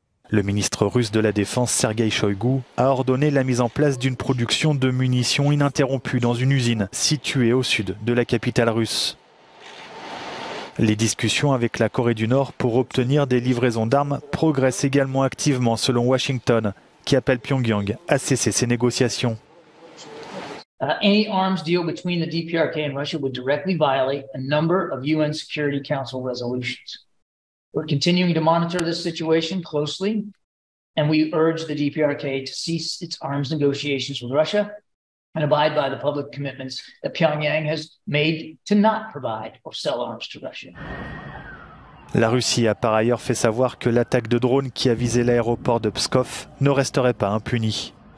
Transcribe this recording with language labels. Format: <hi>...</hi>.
<fr>Le ministre russe de la Défense, Sergueï Shoigu, a ordonné la mise en place d'une production de munitions ininterrompue dans une usine située au sud de la capitale russe. Les discussions avec la Corée du Nord pour obtenir des livraisons d'armes progressent également activement selon Washington, qui appelle Pyongyang à cesser ces négociations.</fr> <en>Any arms deal between the DPRK and Russia would directly violate a number of UN Security Council resolutions. We're continuing to monitor this situation closely, and we urge the DPRK to cease its arms negotiations with Russia and abide by the public commitments that Pyongyang has made to not provide or sell arms to Russia.</en> <fr>La Russie a par ailleurs fait savoir que l'attaque de drone qui a visé l'aéroport de Pskov ne resterait pas impunie.</fr>